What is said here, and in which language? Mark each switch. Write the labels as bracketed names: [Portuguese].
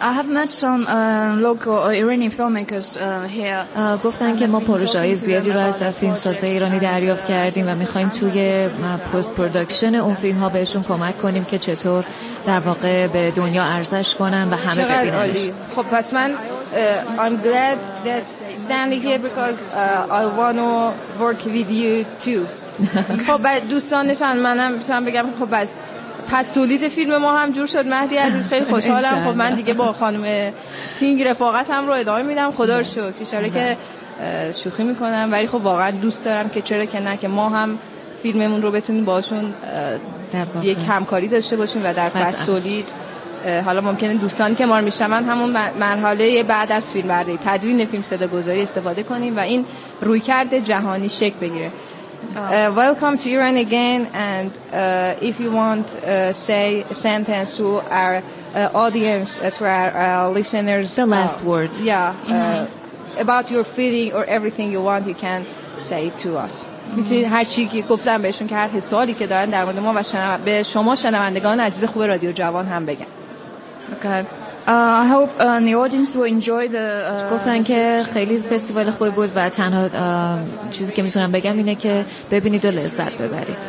[English] I have met some local Iranian filmmakers here. [Persian] گفتن که ما پروژه‌های زیادی رو از فیلمسازای ایرانی دریافت کردیم و می‌خوایم توی پست پروداکشن اون فیلم‌ها بهشون کمک کنیم که چطور در واقع به دنیا عرضش کنن و همه ببیننش. خب پس من [English] I'm glad that standing here because I want to work with you too. [Persian] خب دوستانشان منم میتونم بگم خب پس تولید فیلم ما هم جور شد. مهدی عزیز خیلی خوشحالم. خب من دیگه با خانم تینگ رفاقتم رو ادامه میدم، خدا رو شکر. اشاره که شوخی میکنم ولی خب واقعا دوست دارم که چرا که نه که ما هم فیلممون رو بتونیم باشون یک همکاری داشته باشیم و در پس تولید حالا ممکنه دوستان که ما رو میشنون همون مرحله بعد از فیلم برداری تدوین فیلم صداگذاری استفاده کنیم و این رویکرد جهانی شکل بگیره. [English] Welcome to Iran again, and if you want say a sentence to our audience, to our listeners, the last word, yeah, about your feeling or everything you want, you can say it to us. [Persian] میتونید هر چی که گفتم بهشون که هر حسالی که دارن در مورد ما و به شما شنوندگان عزیز خوب رادیو جوان هم بگن. [English] Okay. I hope the audience will enjoy the [Persian] گفتن که خیلی فستیوال خوبی بود و تنها چیزی که میتونم بگم اینه که ببینید و لذت ببرید.